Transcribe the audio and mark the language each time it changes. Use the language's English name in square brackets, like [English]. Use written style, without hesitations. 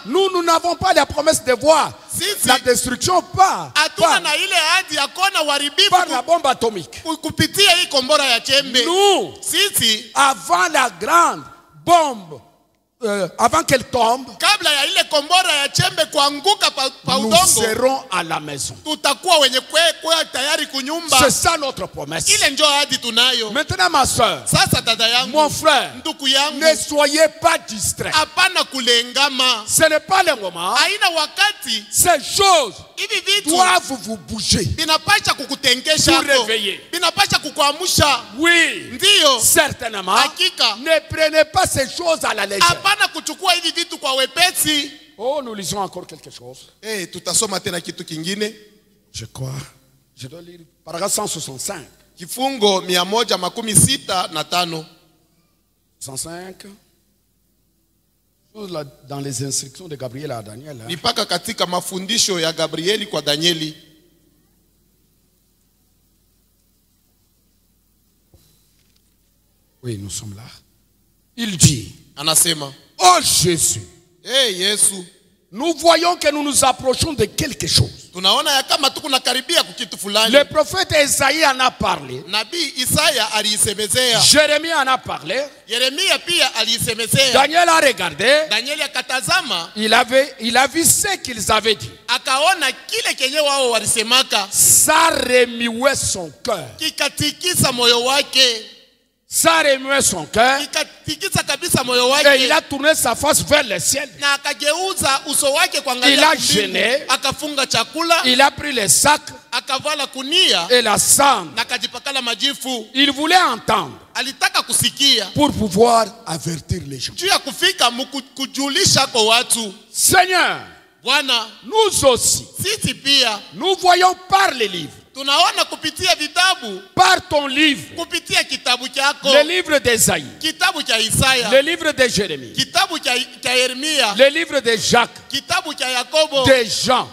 [French] Nous n'avons pas la promesse de voir la destruction pas. [Swahili] Atuna na ile hadi ya kona waribibu [French] par la bombe atomique. [Swahili] Kupitia hii kombora ya chembe. [French] Nous, [Swahili] sisi, [French] avant la grande bombe avant qu'elle tombe, [Swahili] kabla ya ile kombora ya chembe kuanguka pa udongo, [French] nous serons à la maison. [Swahili] Tutakuwa wenye kwa tayari kunyumba. [French] C'est ça notre promesse. [Swahili] Ile njoo hadi tunayo. [French] Maintenant ma soeur, [Swahili] sasa dada yangu, [French] mon frère, [Swahili] nduku yangu, [French] ne soyez pas distrait. [Swahili] Hapana kulengama. [French] Ce n'est pas le moment. [Swahili] Haina wakati. [French] Ces choses [Swahili] hivi vitu [French] doivent vous bouger. [Swahili] Binapacha kukutengesha [French] hapo. Vous réveiller. [Swahili] Binapacha kukuamusha. [French] Oui. [Swahili] Ndiyo. [French] Certainement. [Swahili] Hakika. [French] Ne prenez pas ces choses à la légère. [Swahili] Hapana kuchukua hivi vitu kwa wepesi. [French] Oh, nous lisons encore quelque chose. [Swahili] Eh, tutasoma tena kitu kingine. [French] Je crois. Je dois lire paragraphe 165. [Swahili] Kifungo 165. 105. [French] Dans les instructions de Gabriel à Daniel. [Swahili] Nipaka katika mafundisho ya Gabrieli kwa Danieli. [French] Oui, nous sommes là. Il dit, [Swahili] anasema, [French] oh Jésus, [Swahili] hey Yesu, [French] nous voyons que nous nous approchons de quelque chose. [Swahili] Tunaona ya kama tukunakaribia kukitu fulani. [French] Le prophète Isaïe en a parlé. [Swahili] Nabi Isaïe aliisemezea. [French] Jérémie en a parlé. [Swahili] Jérémie pia aliisemezea. [French] Daniel a regardé. [Swahili] Daniel akatazama. [French] Il a vu ce qu'ils avaient dit. [Swahili] Akaona kile kenye wao walisemaka. [French] Ça remuait son cœur. [Swahili] Kikatikisa moyo wake. [French] Ça remuait son cœur. Et il a tourné sa face vers le ciel. Il a gêné. Il a pris les sacs. [Swahili] Akavala kunia [French] et la cendre. [Swahili] N'akajipakala majifu. [French] Il voulait entendre. [Swahili] Alitaka kusikia [French] pour pouvoir avertir les gens. [Swahili] Juu ya kufika kujulisha kwa watu. [French] Seigneur, [Swahili] Bwana, [French] nous aussi, [Swahili] sisi pia, [French] nous voyons par les livres. [Swahili] Tunaona kupitia vitabu. [French] Par ton livre. [Swahili] Kupitia kitabu chako. [French] Le livre d'Esaïe. [Swahili] Kitabu cha Isaya. [French] Le livre de Jérémie. [Swahili] Kitabu cha Yeremia. [French] Le livre de Jacques. [Swahili] Kitabu cha Yakobo. [French] De Jean.